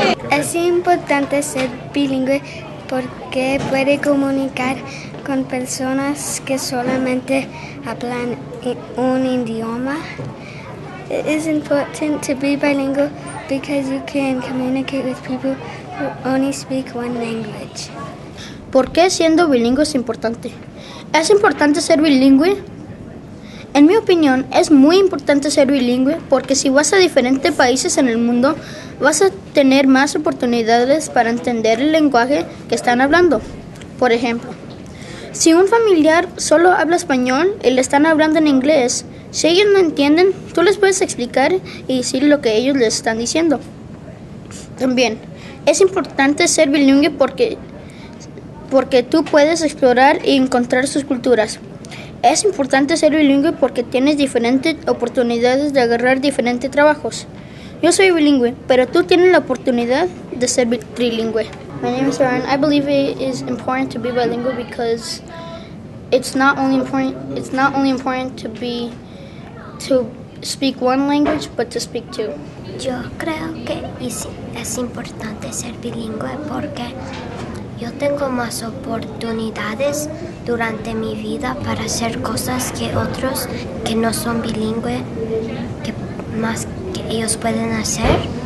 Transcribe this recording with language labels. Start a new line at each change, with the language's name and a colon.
Spanish: Es importante ser bilingüe porque puede comunicar con personas que solamente hablan un idioma.
English: It is important to be bilingual because you can communicate with people who only speak one language.
Spanish: ¿Por qué siendo bilingüe es importante? Es importante ser bilingüe En mi opinión, es muy importante ser bilingüe porque si vas a diferentes países en el mundo, vas a tener más oportunidades para entender el lenguaje que están hablando. Por ejemplo, si un familiar solo habla español y le están hablando en inglés, si ellos no entienden, tú les puedes explicar y decir lo que ellos les están diciendo. También, es importante ser bilingüe porque tú puedes explorar y encontrar sus culturas. Es importante ser bilingüe porque tienes diferentes oportunidades de agarrar diferentes trabajos. Yo soy bilingüe, pero tú tienes la oportunidad de ser trilingüe.
English: My name is Aaron. I believe it is important to be bilingual because it's not only important to speak one language, but to speak two.
Spanish: Yo creo que es importante ser bilingüe porque yo tengo más oportunidades durante mi vida para hacer cosas que otros que no son bilingüe, que más que ellos pueden hacer.